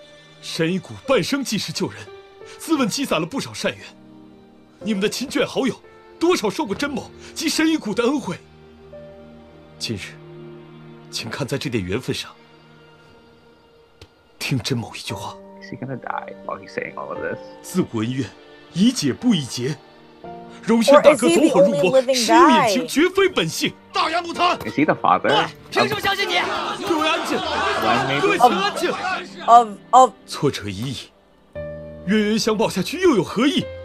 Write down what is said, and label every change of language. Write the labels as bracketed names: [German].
[English] Shen Yi Gu, a long time ago, saved people. [Chinese] 自问积攒了不少善缘，你们的亲眷好友多少受过甄某及神医谷的恩惠，今日请看在这点缘分上听甄某一句话。 [English] Is he gonna die while he's saying all of this? [Chinese] 自古恩怨宜解不宜结，荣轩大哥走火入魔，时有隐情，绝非本性。大言不惭！ [English] Is he the father? [Chinese] 凭什么相信你？各位安静，挫折已矣，冤冤相报下去又有何意？